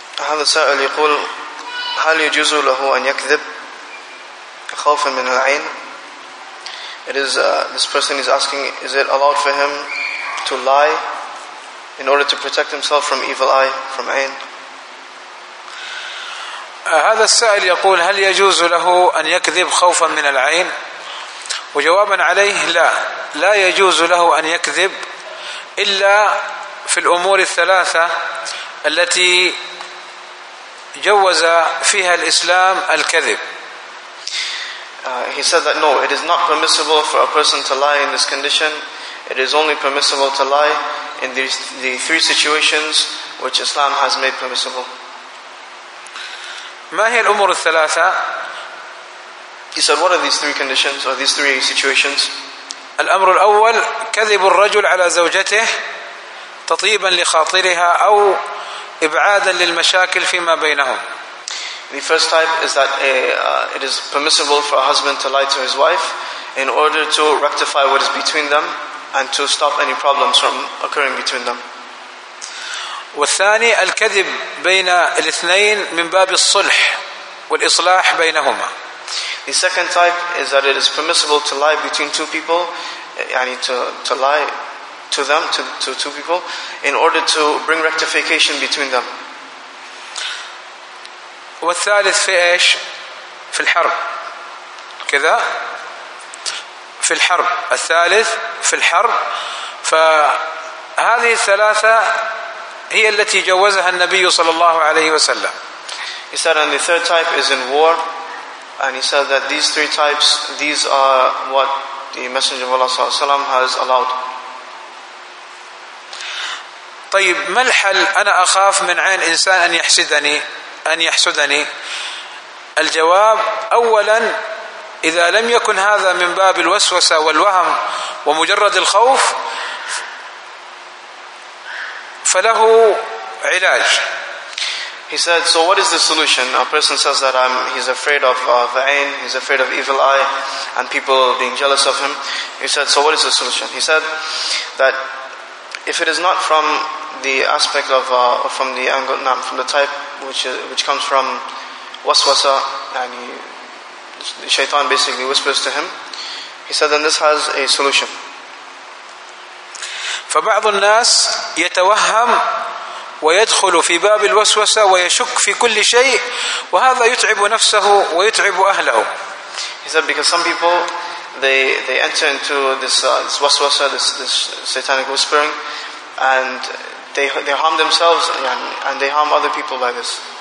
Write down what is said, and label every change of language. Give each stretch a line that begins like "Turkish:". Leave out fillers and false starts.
Arabic: هذا السائل يقول هل يجوز له أن يكذب خوفا من العين
English: it is this person is asking is it allowed for him to lie in order to protect himself from evil eye from عين
Arabic: هذا السائل يقول هل يجوز له أن يكذب خوفا من العين وجوابا عليه لا يجوز له أن يكذب إلا في الأمور الثلاثة التي جوز فيها الإسلام الكذب.
English: He said that no, it is not permissible for a person to lie in this condition. It is only permissible to lie in the three situations which Islam has made permissible.
Arabic: ما هي الأمور الثلاثة؟
English: He said, what are these three conditions or these three situations?
Arabic: الأمر الأول كذب الرجل على زوجته تطيبا لخاطرها أو إبعادا للمشاكل فيما بينهم.
English: The first type is that it is permissible for a husband to lie to his wife in order to rectify what is between them and to stop any problems from occurring between them.
Arabic: والثاني الكذب بين الاثنين من باب الصلح والإصلاح بينهما.
English: The second type is that it is permissible to lie between two people, يعني to lie. To them, to two people, in order to bring rectification between them.
Arabic: والثالث في إيش؟ في الحرب. كذا؟ في الحرب. الثالث في الحرب. فهذه الثلاثة هي التي جوزها النبي صلى الله عليه وسلم.
English: He said, and the third type is in war. And he said that these three types, these are what the Messenger of Allah
Arabic: صلى الله عليه وسلم
English: has allowed.
Arabic: طيب ما الحل أنا أخاف من عين إنسان أن يحسدني الجواب أولا إذا لم يكن هذا من باب الوسوسة والوهم ومجرد الخوف فله علاج
English: He said so what is the solution a person says that he's afraid of عين he's afraid of evil eye and people being jealous of him He said so what is the solution He said that if it is not from the aspect of from the angle نعم, from the type which comes from waswasa and the shaitan basically whispers to him he said then this has a solution
Arabic: فبعض الناس يتوهم ويدخل في باب الوسوسة ويشك في كل شيء وهذا يتعب نفسه ويتعب أهله
English: he said because some people they enter into this waswasa this satanic whispering and they harm themselves and they harm other people by this.